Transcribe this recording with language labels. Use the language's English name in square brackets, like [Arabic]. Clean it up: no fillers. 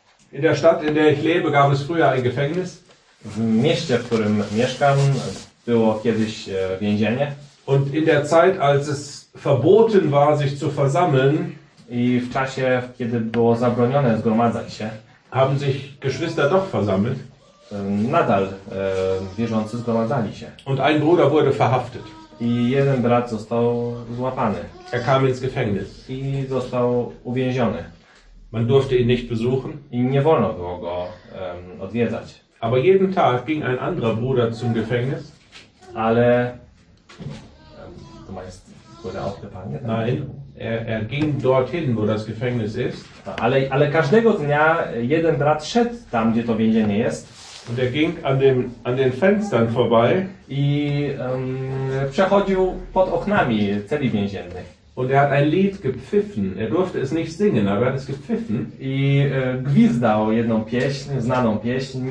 [German] In der Stadt, in der ich lebe, gab es früher ein Gefängnis. [Polish] W mieście, w którym mieszkam, było kiedyś więzienie. [German] Und in der Zeit, als es verboten war, sich zu versammeln, [Polish] i w czasie, kiedy było zabronione zgromadzać się, [German] haben sich Geschwister doch versammelt. [Polish] Nadal wierzący zgromadzali się. [German] Und ein Bruder wurde verhaftet. [Polish] I jeden brat został złapany. [German] Er kam ins Gefängnis. [Polish] I został uwięziony. [German] Man durfte ihn nicht besuchen. [Polish] I nie wolno było go odwiedzać. [German] Aber jeden Tag ging ein anderer Bruder zum Gefängnis. [Polish] Ale... [German] du meinst, wurde auch gefangen? Nein. Er ging dorthin, wo das Gefängnis ist. [Polish] Ale każdego dnia jeden brat szedł tam, gdzie to więzienie jest. [German] Und er ging an den Fenstern vorbei. [Polish] I przechodził pod oknami celi więziennych. [German] Und er hat ein Lied gepfiffen. Er durfte es nicht singen, aber er hat es gepfiffen. [Polish] I gwizdał jedną pieśń, znaną pieśń.